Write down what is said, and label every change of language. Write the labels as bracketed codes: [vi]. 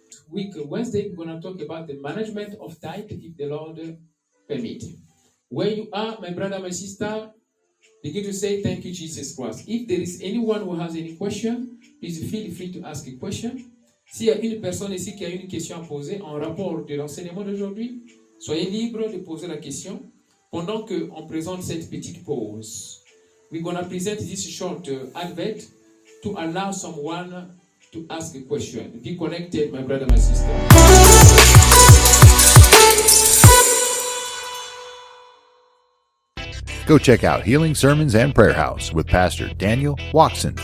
[en] Week Wednesday, we're going to talk about the management of tithe if the Lord permit. Where you are, my brother, my sister, begin to say thank you, Jesus Christ. If there is anyone who has any question, please feel free to ask a question. [fr] S'il y a une personne ici qui a une question à poser en rapport de l'enseignement d'aujourd'hui, soyez libre de poser la question pendant que on présente cette petite pause. [en] We're going to present this short advert to allow someone to ask a question. Be connected, my brother, my sister. Go check out Healing Sermons and Prayer House with Pastor Daniel Watson.